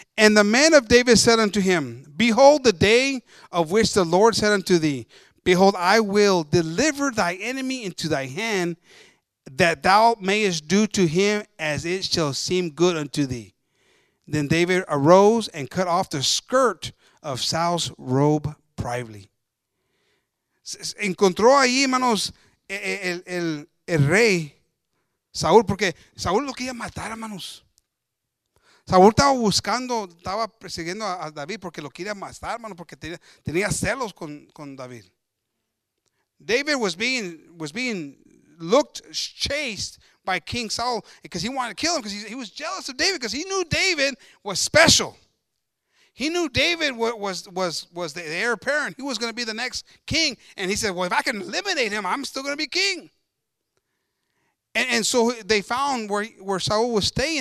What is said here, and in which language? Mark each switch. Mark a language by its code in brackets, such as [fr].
[en] And the man of David said unto him, behold, the day of which the Lord said unto thee, behold, I will deliver thy enemy into thy hand, that thou mayest do to him as it shall seem good unto thee. Then David arose and cut off the skirt of Saul's robe privately. [es] Encontró ahí, hermanos, el rey Saúl, porque Saúl lo quería matar, hermanos. Saúl estaba buscando, estaba persiguiendo a David porque lo quería matar, hermanos, porque tenía celos con David. [en] David was being looked, chased by King Saul because he wanted to kill him because he was jealous of David because he knew David was special. He knew David was the heir apparent. He was going to be the next king. And he said, well, if I can eliminate him, I'm still going to be king. And so they found where Saul was staying.